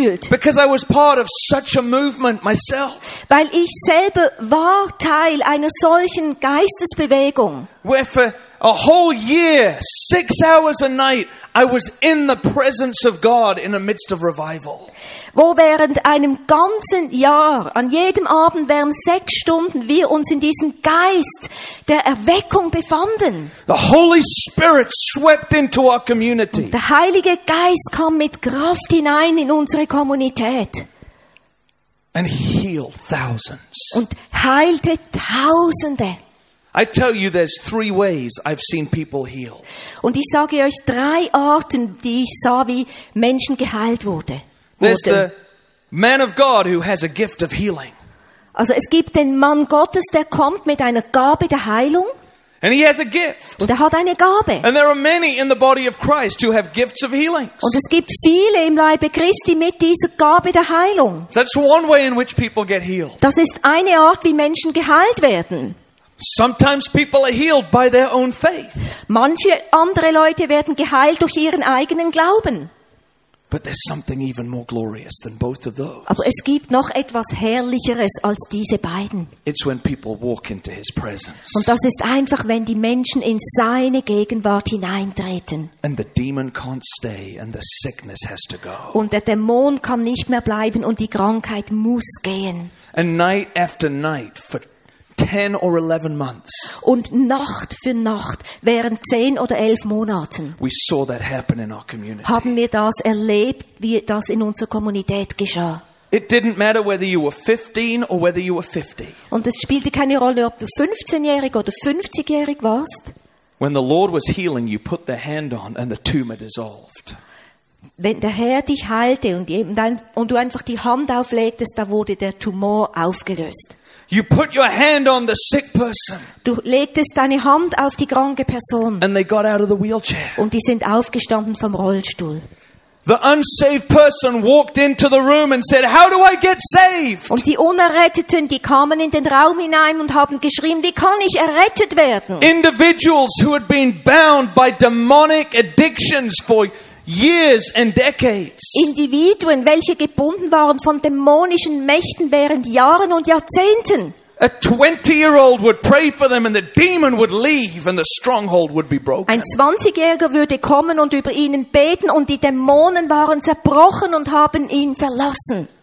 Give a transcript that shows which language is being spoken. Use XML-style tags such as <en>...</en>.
<en>Because I was part of such a movement myself.</en> <de>Weil ich selber war Teil einer solchen Geistesbewegung.</de> <en>Where for a whole year, 6 hours a night, I was in the presence of God in the midst of revival.</en> <de>Wo während einem ganzen Jahr, an jedem Abend während 6 Stunden, wir uns in diesem Geist der Erweckung befanden.</de> <en>The Holy Spirit swept into our community.</en> <de>Der Heilige Geist kam mit Kraft hinein in unsere Kommunität.</de> <en>And healed thousands.</en> <de>Und heilte Tausende.</de> <en>I tell you, there's 3 ways I've seen people healed.</en> <de>Und ich sage euch 3 Arten, die ich sah, wie Menschen geheilt wurde.</de> <en>There's the man of God who has a gift of healing.</en> <de>Also es gibt den Mann Gottes, der kommt mit einer Gabe der Heilung.</de> <en>And he has a gift.</en> <de>Und er hat eine Gabe.</de> <en>And there are many in the body of Christ who have gifts of healings.</en> <de>Und es gibt viele im Leibe Christi mit dieser Gabe der Heilung.</de> <en>So that's one way in which people get healed.</en> <de>Das ist eine Art, wie Menschen geheilt werden.</de> <en>Sometimes people are healed by their own faith.</en> <de>Manche andere Leute werden geheilt durch ihren eigenen Glauben.</de> <en>But there's something even more glorious than both of those.</en> <de>Aber es gibt noch etwas Herrlicheres als diese beiden.</de> <en>It's when people walk into his presence.</en> <de>Und das ist einfach, wenn die Menschen in seine Gegenwart hineintreten.</de> <en>And the demon can't stay and the sickness has to go.</en> <de>Und der Dämon kann nicht mehr bleiben und die Krankheit muss gehen.</de> <en>And night after night for 10 or 11 months.</en> <de>Und Nacht für Nacht während 10 oder 11 Monaten.</de> <en>We saw that happen in our community.</en> <de>Haben wir das erlebt, wie das in unserer Kommunität geschah?</de> <en>It didn't matter whether you were 15 or whether you were 50.</en> <de>Und es spielte keine Rolle, ob du 15-jährig oder 50-jährig warst.</de> <en>When the Lord was healing, you put the hand on and the tumor dissolved.</en> <de>Wenn der Herr dich heilte und du einfach die Hand auflegtest, da wurde der Tumor aufgelöst.</de> <en>You put your hand on the sick person.</en> <de>Du legtest deine Hand auf die kranke Person.</de> <en>And they got out of the wheelchair.</en> <de>Und die sind aufgestanden vom Rollstuhl.</de> <en>The unsaved person walked into the room and said, "How do I get saved?"</en> <de>Und die Unerretteten, die kamen in den Raum hinein und haben geschrien, "Wie kann ich errettet werden?"</de> <en>Individuals who had been bound by demonic addictions for years and decades.</en> <de>Individuen, welche gebunden waren von dämonischen Mächten während Jahren und Jahrzehnten.</de> <en>A 20-year-old would pray for them and the demon would leave and the stronghold would be broken.</en> <de>Ein 20-Jähriger würde kommen und über ihnen beten und die Dämonen waren zerbrochen und haben ihn verlassen.</de>